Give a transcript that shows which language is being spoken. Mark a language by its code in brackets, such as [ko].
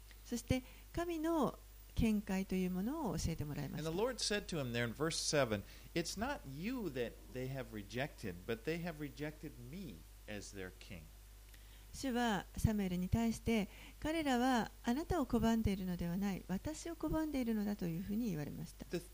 [ja] そして神の見解というものを教えてもらいました。 [en] And the Lord said to him there in verse 7. It's not you that they have rejected, but they have rejected me as their king. [ja] 主はサムエルに対して、彼らはあなたを拒んでいるのではない、私を拒んでいるのだというふうに言われました。